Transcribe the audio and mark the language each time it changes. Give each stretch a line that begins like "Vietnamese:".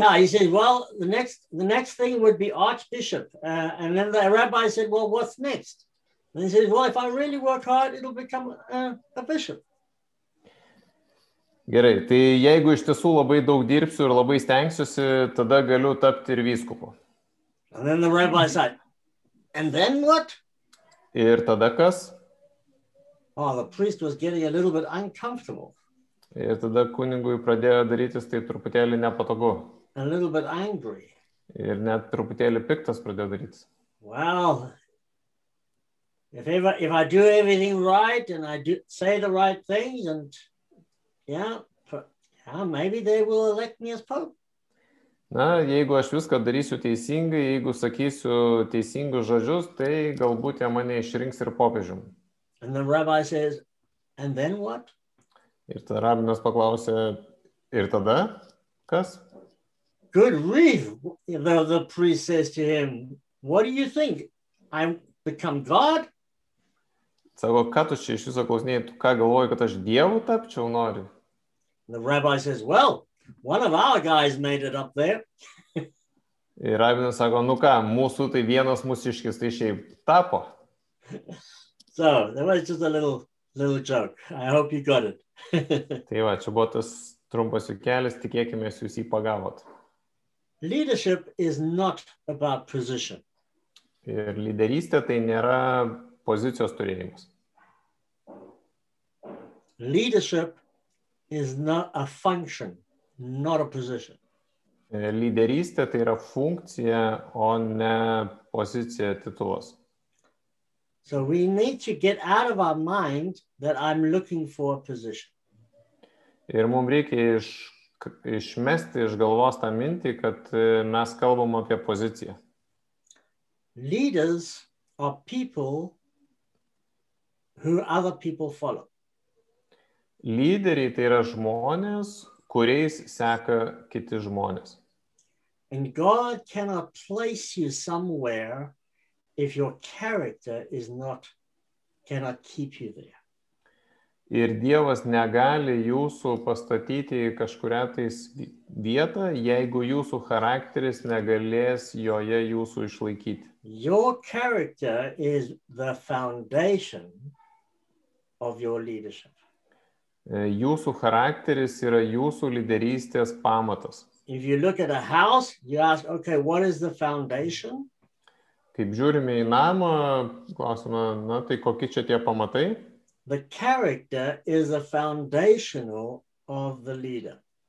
English: Yeah, he said, well, the next thing would be archbishop. And then the rabbi said, well, what's next? And he says, well, if I really work hard, it'll become a bishop.
Lithuanian: Gerai, tai jeigu iš tiesų labai daug dirbsiu ir labai stengsiuosi, tada galiu tapti ir vyskupu.
English: And then the rabbi said, and then what?
Lithuanian: Ir tada kas?
English: Oh, the priest was getting a little bit uncomfortable.
Lithuanian: Ir tada kunigui pradėjo darytis tai truputėlį nepatogu.
English: A little bit angry.
Lithuanian: Ir net truputėlį piktas pradėjo darytis.
English: Well, if I do everything right and I do say the right things and yeah, maybe they will elect me as pope.
Lithuanian: Na, jeigu aš viską darysiu teisingai, jeigu sakysiu teisingus žodžius, tai galbūt jie mane išrinks ir popiežium.
English: And the rabbi says, and then what?
Lithuanian: Ir tada rabinas paklausė, ir tada kas?
English: Good grief, the priest says to him, what do you think? I become God?
Lithuanian: Sako, ką tu čia iš viso klausinėjai, tu ką galvoji, kad aš dievų tapčiau noriu?
English: The rabbi says, well, one of our guys made it up there.
Lithuanian: Ir rabinas sako, nu ką, mūsų tai vienas mūsiškis, tai šiaip tapo.
English: So, there was just a little joke. I hope you got it.
Lithuanian: Tai va, čia buvo tas trumpas jukelis, tikėkimės jūs jį pagavot.
English: Leadership is not about position.
Lithuanian: Ir lyderystė tai nėra pozicijos turėjimas.
English: Leadership is not a function, not a position.
Lithuanian: Lyderystė tai yra funkcija, o ne pozicija, titulas.
English: So we need to get out of our mind that I'm looking for a position.
Lithuanian: Ir mums reikia išmesti iš galvos tą mintį, kad mes kalbam apie poziciją.
English: Leaders are people who other people follow.
Lithuanian: Lyderiai tai yra žmonės, kuriais seka kiti žmonės.
English: And God cannot place you somewhere if your character is not, cannot keep you there.
Lithuanian: Ir Dievas negali jūsų pastatyti kažkurią tais vietą, jeigu jūsų charakteris negalės joje jūsų išlaikyti.
English: Your character is the foundation of your leadership.
Lithuanian: Jūsų charakteris yra jūsų lyderystės pamatas.
English: If you look at a house, you ask, okay, what is the foundation?
Lithuanian: Kaip žiūrime į namą, klausime, na, tai kokie čia tie pamatai?
English: The character is a foundational of the leader.